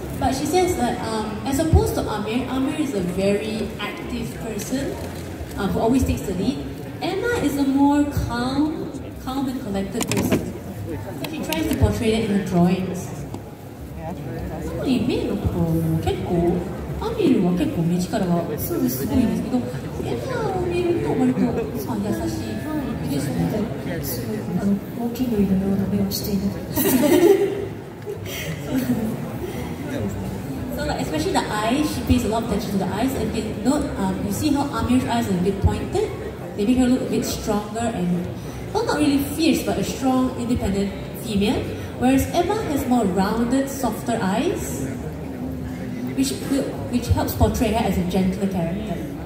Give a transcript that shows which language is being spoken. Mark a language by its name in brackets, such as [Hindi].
[English] But she says that as opposed to Amir, Amir is a very active person who always takes the leadEmma is a more calm and collected person. So she tries to portray that in her drawings. [Japanese] つまり目の子も結構、アミルは結構目力がすごいんですけど、エマを見ると割と優しい範囲ですね。すごい大きい類のような目をしている。 [English] Especially the eyes, she pays a lot of attention to the eyes. And you know, you see how Amir's eyes are a bit pointed? They make her look a bit stronger and, well, not really fierce, but a strong, independent female. Whereas Emma has more rounded, softer eyes, which helps portray her as a gentler character.